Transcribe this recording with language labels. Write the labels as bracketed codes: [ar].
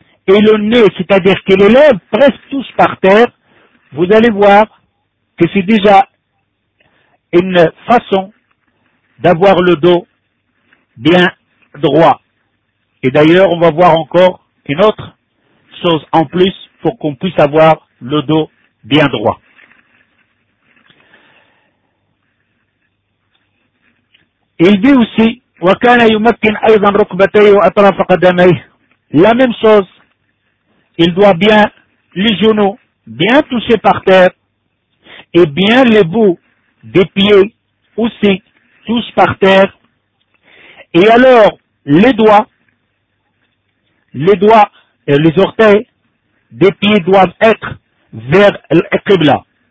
[fr] et le nez, c'est-à-dire que les lèvres presque touchent par terre, vous allez voir que c'est déjà une façon d'avoir le dos bien droit. Et d'ailleurs, on va voir encore une autre chose en plus pour qu'on puisse avoir le dos bien droit. Il dit aussi, [ar] وَكَانَ يُمَكِّنْ أَيْضًا رُكْبَتَيْهُ وَأَطْرَافَ قَدَمَيْهُ. [fr] La même chose, il doit bien les genoux bien toucher par terre et bien les bouts des pieds aussi touchent par terre. Et alors, les doigts et les orteils des pieds doivent être vers le Qibla.